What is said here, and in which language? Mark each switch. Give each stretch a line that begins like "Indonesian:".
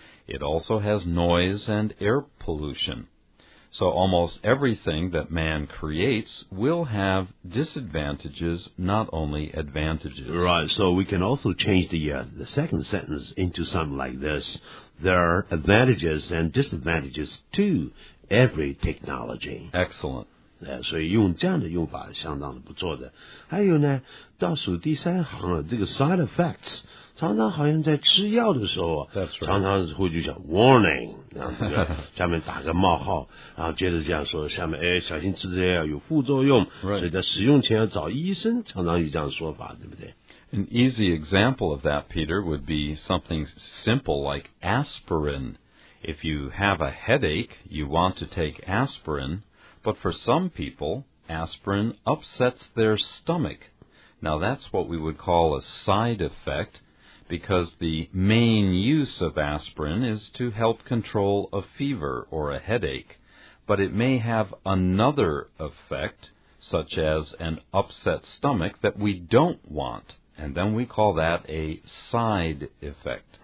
English: It also has noise and air pollution. So almost everything that man creates will have disadvantages, not only advantages. Right, so we can also change the second sentence into something like this. There are advantages and disadvantages to every technology. Excellent.
Chinese: 所以用这样的用法相当的不错的。还有呢，倒数第三行这个 side effects,常常好像在吃药的时候、
English: right.
Chinese: 常常会就叫 warning, 然后下面打个冒号然后接着这样说下面哎，小心吃这药有副作用、
English: right.
Chinese: 所以在使用前要找医生常常有这样说法对不对
English: An easy example of that, Peter, would be something simple like aspirin. If you have a headache, you want to take aspirin, but for some people, aspirin upsets their stomach. Now that's what we would call a side effect,because the main use of aspirin is to help control a fever or a headache, but it may have another effect, such as an upset stomach, that we don't want, and then we call that a side effect.